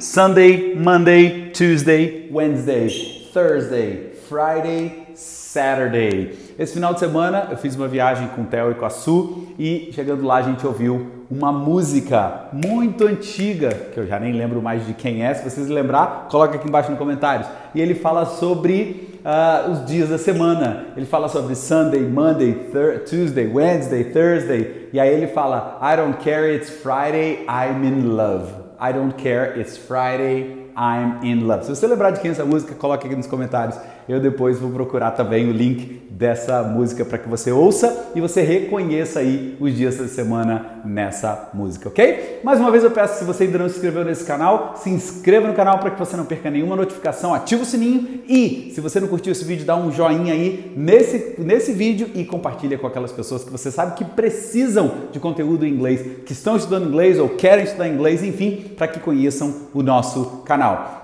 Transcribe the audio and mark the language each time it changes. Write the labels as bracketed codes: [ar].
[en] Sunday, Monday, Tuesday, Wednesday, Thursday, Friday, Saturday. [pt] Esse final de semana eu fiz uma viagem com o Theo e com a Su e chegando lá a gente ouviu uma música muito antiga, que eu já nem lembro mais de quem é. Se vocês lembrar, coloca aqui embaixo nos comentários. E ele fala sobre os dias da semana. Ele fala sobre Sunday, Monday, Tuesday, Wednesday, Thursday. [en] E aí ele fala, I don't care, it's Friday, I'm in love. I don't care, it's Friday, I'm in love. [pt] Se você lembrar de quem é essa música, coloca aqui nos comentários. Eu depois vou procurar também o link dessa música para que você ouça e você reconheça aí os dias da semana nessa música, ok? Mais uma vez eu peço, se você ainda não se inscreveu nesse canal, se inscreva no canal para que você não perca nenhuma notificação, ativa o sininho e se você não curtiu esse vídeo, dá um joinha aí nesse vídeo e compartilha com aquelas pessoas que você sabe que precisam de conteúdo em inglês, que estão estudando inglês ou querem estudar inglês, enfim, para que conheçam o nosso canal.